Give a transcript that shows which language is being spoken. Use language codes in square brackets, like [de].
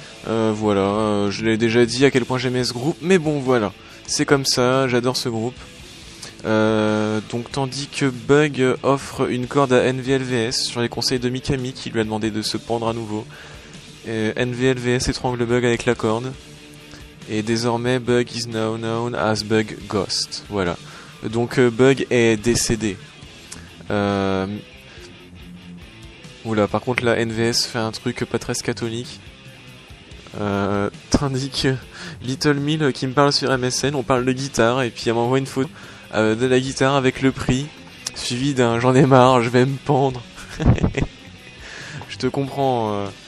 [fr] Voilà, je l'ai déjà dit à quel point j'aimais ce groupe, mais bon voilà, c'est comme ça, j'adore ce groupe. Donc tandis que Bug offre une corde à NVLVS sur les conseils de Mikami qui lui a demandé de se pendre à nouveau, NVLVS étrangle Bug avec la corde. Et désormais, [en] Bug is now known as Bug Ghost. [fr] Voilà. Donc, Bug est décédé. Oula, par contre, là, NVS fait un truc pas très catholique. Tandis que Little Mill, qui me parle sur MSN, on parle de guitare, et puis elle m'envoie une photo de la guitare avec le prix, suivi d'un « j'en ai marre, je vais me pendre ». Je te comprends...